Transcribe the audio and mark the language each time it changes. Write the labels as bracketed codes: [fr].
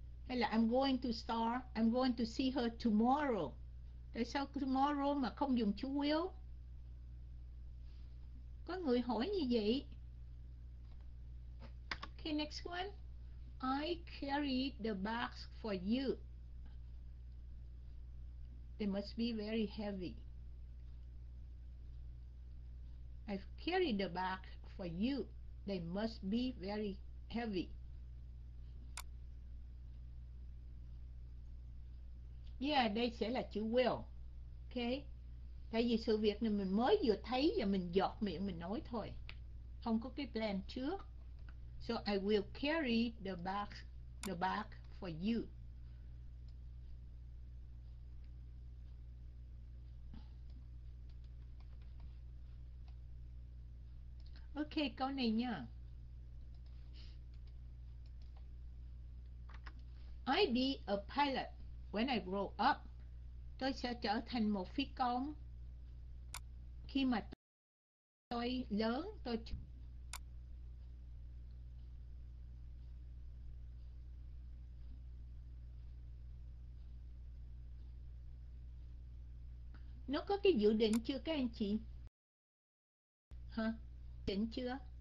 [vi] Hay là [en] I'm going to see her tomorrow. [vi] Tại sao tomorrow mà không dùng chữ will? Có người hỏi như vậy. [en] Okay, next one. I carried the box for you. They must be very heavy. I've carried the box for you. They must be very heavy. [vi] Yeah, đây sẽ là chữ will. Okay. Tại vì sự việc này mình mới vừa thấy và mình giọt miệng mình nói thôi. Không có cái plan trước. [en] So I will carry the box for you. [vi] Ok, câu này nha. [en] I'll be a pilot when I grow up. [vi] Tôi sẽ trở thành một phi công khi mà tôi lớn. Tôi nó có cái dự định chưa các anh chị? Hả? Định chưa?